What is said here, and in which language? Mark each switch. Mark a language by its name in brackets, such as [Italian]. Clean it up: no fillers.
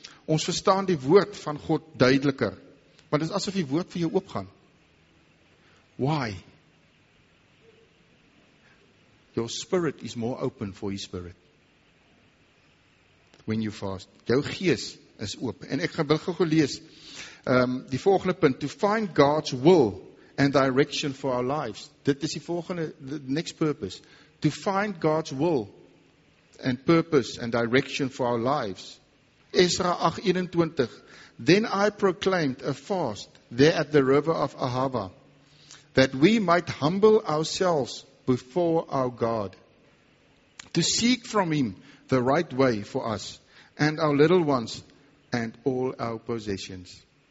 [Afrikaans] Ons verstaan die woord van God duideliker, want dit is asof die woord vir jou oopgaan. [English] Why? Your spirit is more open for his spirit. When you fast. [Afrikaans] Jou gees is oop. En ek wil gou lees die volgende punt. [English] To find God's will and direction for our lives. [Afrikaans] Dit is die volgende, [English] the next purpose. To find God's will and purpose and direction for our lives. Ezra 8:21. Then I proclaimed a fast there at the river of Ahava, that we might humble ourselves before our God, to seek from him the right way for us and our little ones and all our possessions.